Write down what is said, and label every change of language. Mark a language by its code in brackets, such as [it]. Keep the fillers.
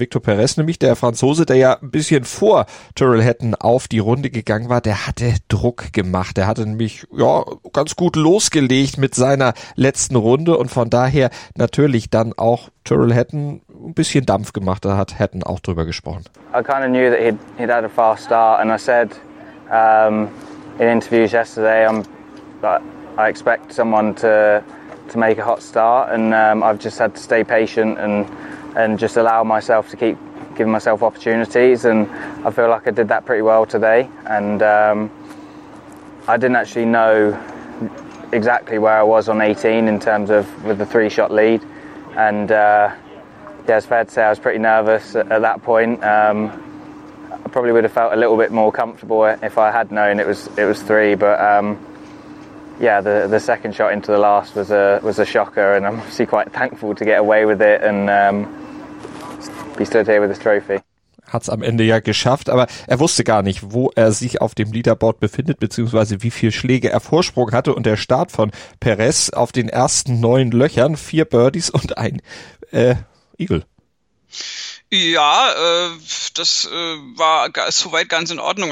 [de] Victor Perez, nämlich der Franzose, der ja ein bisschen vor Tyrrell Hatton auf die Runde gegangen war, der hatte Druck gemacht. Der hatte nämlich, ja, ganz gut losgelegt mit seiner letzten Runde und von daher natürlich dann auch Tyrrell Hatton ein bisschen Dampf gemacht. Da hat Hatton auch drüber gesprochen. [en] I kind of knew that he'd, he'd had a fast start and said, um, in interviews yesterday, I'm, um, but I expect someone to to make a hot start, and um, I've just had to stay patient and and just allow myself to keep giving myself opportunities. And I feel like I did that pretty well today. And um, I didn't actually know exactly where I was on 18 in terms of with the three shot lead. And uh, yeah, it's fair to say I was pretty nervous at, at that point. Um, I Probably would have felt a little bit more comfortable if I had known it was it was three, but yeah, the the second shot into the last was a was a shocker, and I'm obviously quite thankful to get away with it and um, be he stood here with this trophy. [de] Hat's am Ende ja geschafft, aber er wusste gar nicht, wo er sich auf dem Leaderboard befindet, beziehungsweise wie viele Schläge er Vorsprung hatte und der Start von Perez auf den ersten neun Löchern, vier Birdies und ein äh, Eagle. Ja, äh, das äh, war soweit ganz in Ordnung.